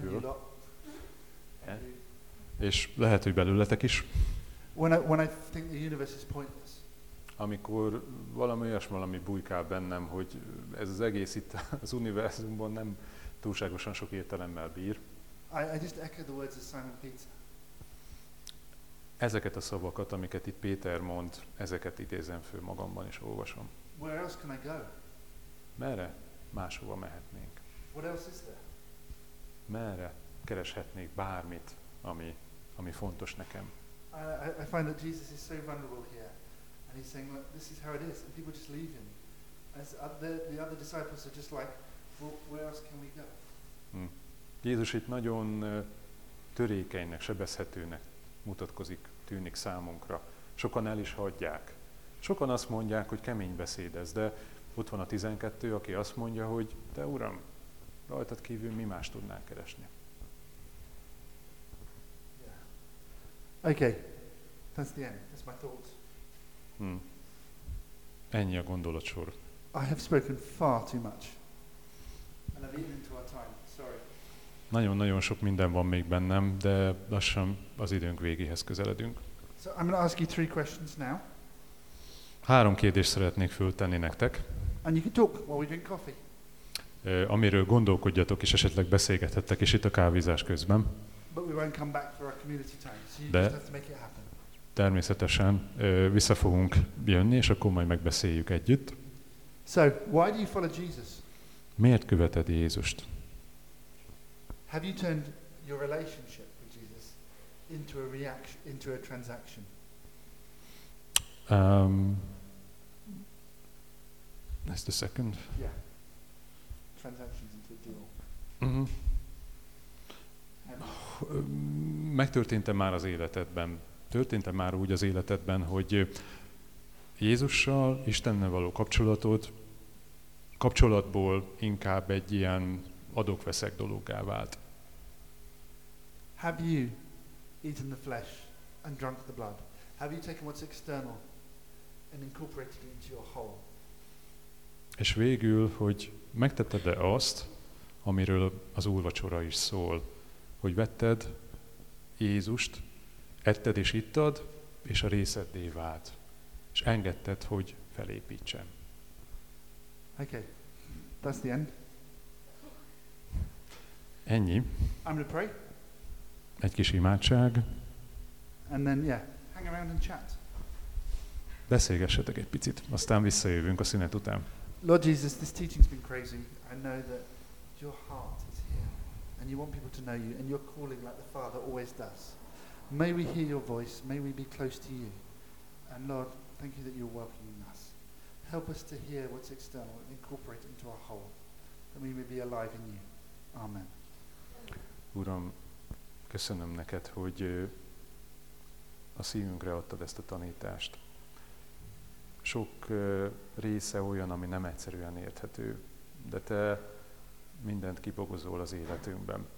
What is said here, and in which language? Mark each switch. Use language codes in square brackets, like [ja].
[en] And you lot. [hu] És lehet, hogy belőletek is. [en] When I think the universe is pointless. [hu] Amikor valami olyasmi bujkál bennem, hogy ez az egész itt az univerzumban nem túlságosan sok értelemmel bír. [en] I just echo the words of Simon Peter. [hu] Ezeket a szavakat, amiket itt Péter mond, ezeket idézem föl magamban és olvasom. [en] Where else can I go? [hu] Merre máshova mehetnénk? [en] What else is there? [hu] Merre kereshetnék bármit, ami fontos nekem? [en] I find that Jesus is so vulnerable here, and he's saying, look, this is how it is, and people just leave him. As the other disciples are just like, well, where else can we go? [hu] Jézus itt nagyon törékenynek, sebezhetőnek mutatkozik, tűnik számunkra. Sokan el is hagyják. Sokan azt mondják, hogy kemény beszéd ez, de ott van a 12, aki azt mondja, hogy te Uram, rajtad kívül mi más tudnánk keresni. [en] Okay, that's the end. That's my thoughts. [hu] Ennyi a gondolatsor. [en] I have spoken far too much. And I've eaten into our time. Sorry. [hu] Nagyon-nagyon sok minden van még bennem, de lassan az időnk végéhez közeledünk. [en] So I'm going to ask you three questions now. [hu] Három kérdést szeretnék föltenni nektek. [en] And you can talk while we drink coffee. [hu] Amiről gondolkodjatok és esetleg beszélgethettek is itt a kávézás közben. [en] But we won't come back for our community time, so you just have to make it happen. [hu] Természetesen vissza fogunk jönni, és akkor majd megbeszéljük együtt. [en] So, why do you follow Jesus? [hu] Miért követed Jézust? [en] Have you turned your relationship with Jesus into a reaction, into a transaction? That's the second. Yeah. Transactions into a deal. [hu] Megtörtént-e már az életedben? Történt-e már úgy az életedben, hogy Jézussal, Istennel való kapcsolatból inkább egy ilyen adok-veszek dologgá vált? [en] Have you eaten the flesh and drunk the blood? Have you taken what's external and incorporated it into your whole? [hu] És végül, hogy megtetted-e azt, amiről az úrvacsora is szól, hogy vetted Jézust, etted és ittad, és a részeddé vált, és engedted, hogy felépítsem. [en] Okay, that's the end. [hu] Ennyi. [en] I'm gonna pray. [hu] Egy kis imádság. [en] And then, yeah, hang around and chat. [hu] Beszélgessetek egy picit, aztán visszajövünk a szünet után. [en] Lord Jesus, this teaching's been crazy. I know that your heart is here, and you want people to know you, and you're calling like the Father always does. May we hear your voice, may we be close to you. And Lord, thank you that you're welcoming us. Help us to hear what's external and incorporate into our whole, that we may be alive in you. Amen. [hu] Uram, köszönöm neked, hogy a szívünkre adtad ezt a tanítást. Sok része olyan, ami nem egyszerűen érthető, de te mindent kibogozol az életünkben.